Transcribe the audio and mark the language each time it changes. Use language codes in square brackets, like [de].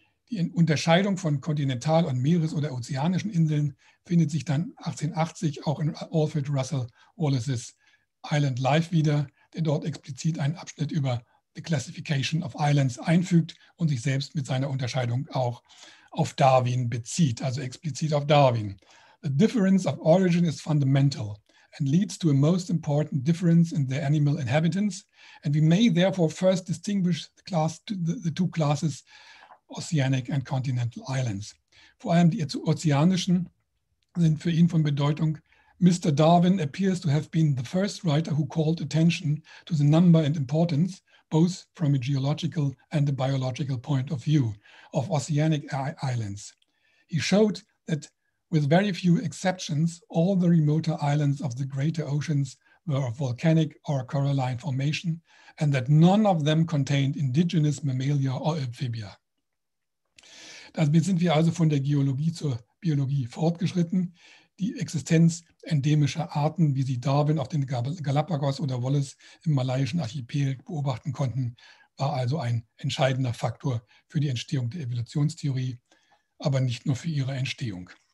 [de] Die Unterscheidung von Kontinental- und Meeres- oder ozeanischen Inseln findet sich dann 1880 auch in Alfred Russel Wallace's Island Life wieder, der dort explizit einen Abschnitt über The Classification of Islands einfügt und sich selbst mit seiner Unterscheidung auch auf Darwin bezieht, also explizit auf Darwin. [en] The difference of origin is fundamental and leads to a most important difference in the animal inhabitants, and we may therefore first distinguish the two classes, Oceanic and Continental Islands. [de] Vor allem die ozeanischen sind für ihn von Bedeutung. [en] Mr. Darwin appears to have been the first writer who called attention to the number and importance, both from a geological and a biological point of view, of oceanic islands. He showed that with very few exceptions, all the remoter islands of the greater oceans were of volcanic or coralline formation, and that none of them contained indigenous mammalia or amphibia. [de] Damit sind wir also von der Geologie zur Biologie fortgeschritten. Die Existenz endemischer Arten, wie sie Darwin auf den Galapagos oder Wallace im malaiischen Archipel beobachten konnten, war also ein entscheidender Faktor für die Entstehung der Evolutionstheorie, aber nicht nur für ihre Entstehung.